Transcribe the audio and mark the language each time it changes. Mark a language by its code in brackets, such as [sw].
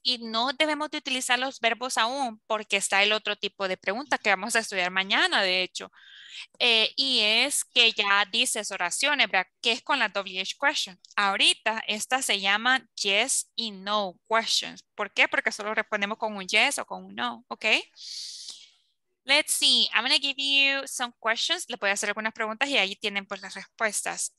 [es] Y no debemos de utilizar los verbos aún, porque está el otro tipo de pregunta que vamos a estudiar mañana, de hecho. Y es que ya dices oraciones, ¿verdad? ¿Qué es con la WH question? Ahorita, esta se llama yes y no questions. ¿Por qué? Porque solo respondemos con un yes o con un no, ¿ok? [en] Let's see, I'm going to give you some questions. [es] Le voy a hacer algunas preguntas y ahí tienen pues las respuestas.